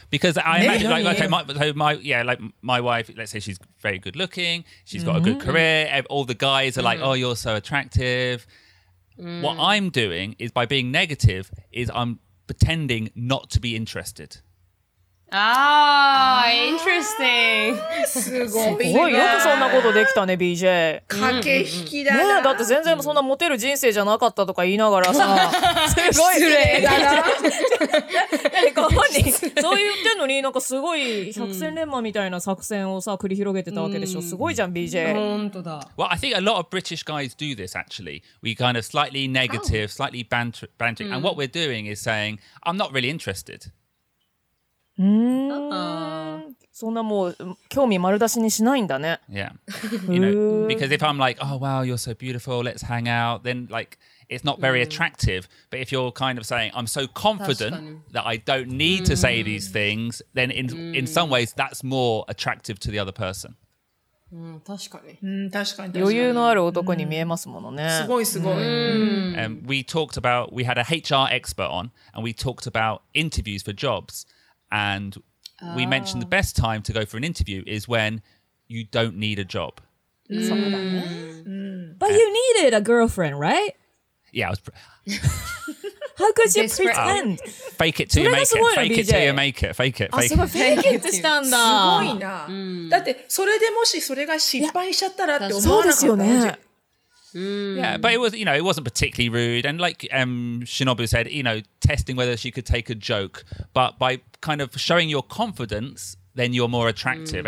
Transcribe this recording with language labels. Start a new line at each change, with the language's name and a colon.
English: Because I imagine, like, okay, my wife, let's say she's very good looking, she's got a good career, all the guys are like, oh, you're so attractive. What I'm doing is, by being negative, is I'm pretending not to be interested. Ah, interesting.
Japanese: すごい。よくそんなことできたね、BJ。駆け引きだな。ねえ、だって全然そんなモテる人生じゃなかったとか言いながらさ、すごい失礼だな。なんか本人、そう言ってんのに、なんかすごい百戦錬磨みたいな作戦をさ、繰り広げてたわけでしょ。すごいじゃん、BJ。本当だ。
English: Well, I think a lot of British guys do this, actually. We kind of slightly negative, slightly bantering. And what we're doing is saying, I'm not really interested.
Japanese: そんなもう興味丸出しにしないんだね。
English: Yeah. You know, because if I'm like, oh wow, you're so beautiful, let's hang out, then like it's not very attractive. But if you're kind of saying, I'm so confident that I don't need to say these things, then in some ways that's more attractive to the other person.
Japanese: 確かに。確かに。余裕のある男に見えますものね。すごいすごい。
English: We talked about, we had a HR expert on, and we talked about interviews for jobs. And we mentioned the best time to go for an interview is when you don't need a job. But you needed a girlfriend, right? Yeah, I was... How could you pretend? Fake it till you make it. Fake it till you make it. Fake it. Fake it. Fake it
Japanese: したんだ。すごいな。だってそれでもしそれが失敗しちゃったらって思わなかった。そうですよね。
English: Yeah, but it was, you know, it wasn't particularly rude. And like Shinobu said, you know, testing whether she could take a joke. But by kind of showing your confidence, then you're more attractive.